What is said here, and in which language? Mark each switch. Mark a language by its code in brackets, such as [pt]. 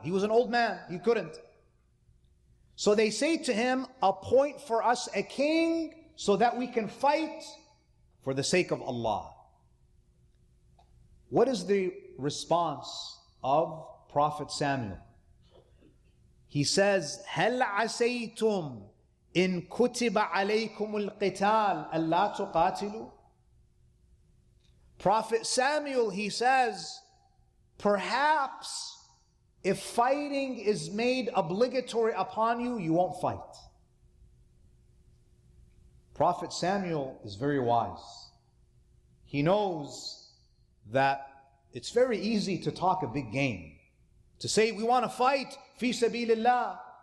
[en] He was an old man, he couldn't. So they say to him, appoint for us a king so that we can fight for the sake of Allah. What is the response of Prophet Samuel? [ar] He says, هَلْ عَسَيْتُمْ إِن كُتِبَ عَلَيْكُمُ الْقِتَالِ أَلَّا تُقَاتِلُوا. [en] Prophet Samuel, he says, perhaps if fighting is made obligatory upon you, you won't fight. Prophet Samuel is very wise. He knows that it's very easy to talk a big game, to say we want to fight, fi sabilillah.